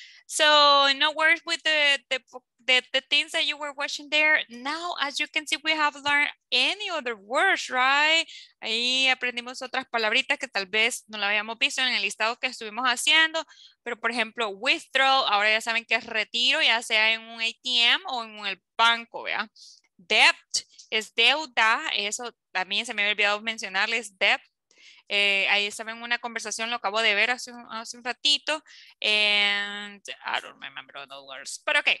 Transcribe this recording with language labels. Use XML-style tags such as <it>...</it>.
<en>So no worries with the things that you were watching there. Now, as you can see, we have learned any other words, right?</en> <es>Ahí aprendimos otras palabritas que tal vez no la habíamos visto en el listado que estuvimos haciendo. Pero, por ejemplo, withdraw, ahora ya saben que es retiro, ya sea en un ATM o en el banco, ¿vea? Debt. Es deuda, eso también se me había olvidado mencionarles, debt. Ahí estaba en una conversación, lo acabo de ver hace un ratito.</es> <en>And I don't remember the words, but okay.</en>